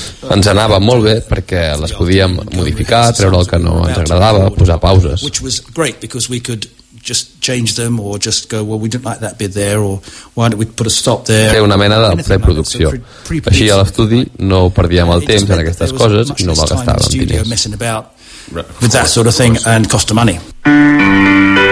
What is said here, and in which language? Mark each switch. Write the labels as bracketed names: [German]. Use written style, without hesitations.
[Catalan] Ens anava molt bé perquè les podíem modificar, treure el que no ens agradava, posar pauses. [English] Just change them or just go, well, we didn't like that bit there, or why don't we put a stop there. [Catalan] Té una mena de preproducció. Així a l'estudi no perdíem el temps en aquestes coses i no malgastàvem diners. [English] With that sort of thing and cost of money.